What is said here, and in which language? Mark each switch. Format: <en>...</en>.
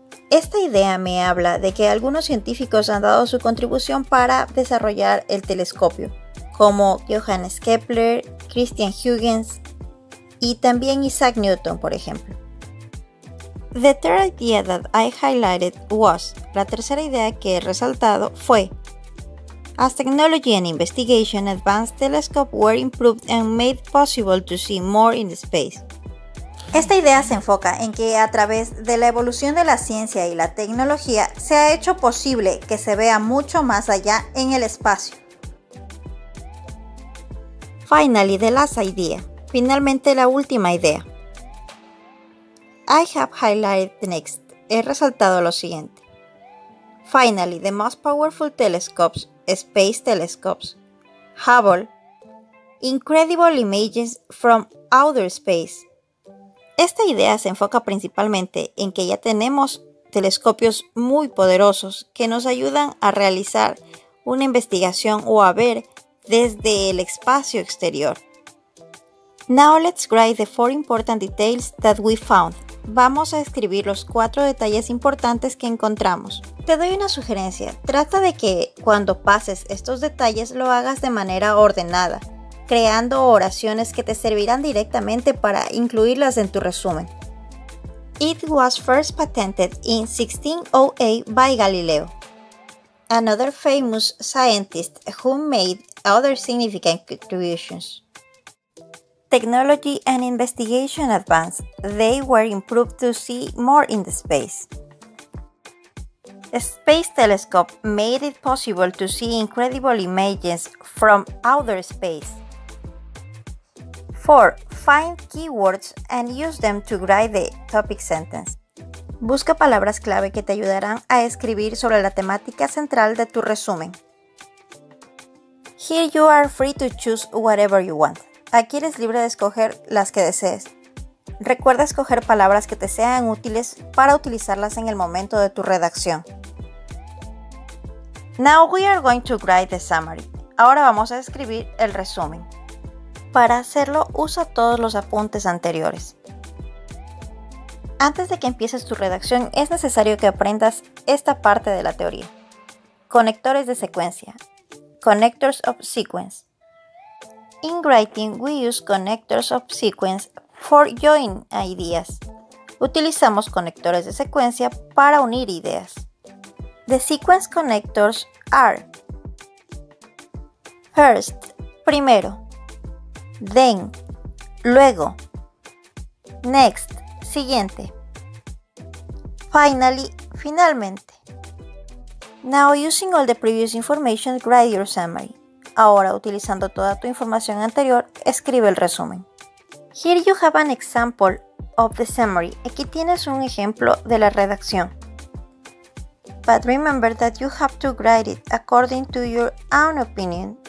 <es>Esta idea me habla de que algunos científicos han dado su contribución para desarrollar el telescopio, como Johannes Kepler, Christian Huygens y también Isaac Newton, por ejemplo.</es> <en>The third idea that I highlighted was,</en> <es>la tercera idea que he resaltado fue,</es> <en>As technology and investigation advanced, telescopes were improved and made possible to see more in space.</en> <es>Esta idea se enfoca en que a través de la evolución de la ciencia y la tecnología se ha hecho posible que se vea mucho más allá en el espacio.</es> <en>Finally, the last idea.</en> <es>Finalmente, la última idea.</es> <en>I have highlighted next.</en> <es>He resaltado lo siguiente.</es> <en>Finally, the most powerful telescopes, space telescopes, Hubble, incredible images from outer space.</en> <es>Esta idea se enfoca principalmente en que ya tenemos telescopios muy poderosos que nos ayudan a realizar una investigación o a ver desde el espacio exterior.</es> <en>Now let's write the four important details that we found.</en> <es>Vamos a escribir los cuatro detalles importantes que encontramos. Te doy una sugerencia. Trata de que cuando pases estos detalles lo hagas de manera ordenada, creando oraciones que te servirán directamente para incluirlas en tu resumen.</es> <en>It was first patented in 1608 by Galileo. Another famous scientist who made other significant contributions. Technology and investigation advanced. They were improved to see more in the space. space telescope made it possible to see incredible images from outer space. 4. Find keywords and use them to write the topic sentence.</en> <es>Busca palabras clave que te ayudarán a escribir sobre la temática central de tu resumen.</es> <en>Here you are free to choose whatever you want.</en> <es>Aquí eres libre de escoger las que desees. Recuerda escoger palabras que te sean útiles para utilizarlas en el momento de tu redacción.</es> <en>Now we are going to write the summary.</en> <es>Ahora vamos a escribir el resumen. Para hacerlo, usa todos los apuntes anteriores. Antes de que empieces tu redacción, es necesario que aprendas esta parte de la teoría. Conectores de secuencia.</es> <en>Connectors of sequence. In writing, we use connectors of sequence for join ideas.</en> <es>Utilizamos conectores de secuencia para unir ideas.</es> <en>The sequence connectors are first, primero, then, luego, next, siguiente, finally, finalmente. Now, using all the previous information, write your summary.</en> <es>Ahora, utilizando toda tu información anterior, escribe el resumen.</es> <en>Here you have an example of the summary.</en> <es>Aquí tienes un ejemplo de la redacción.</es> <en>But remember that you have to write it according to your own opinion.</en>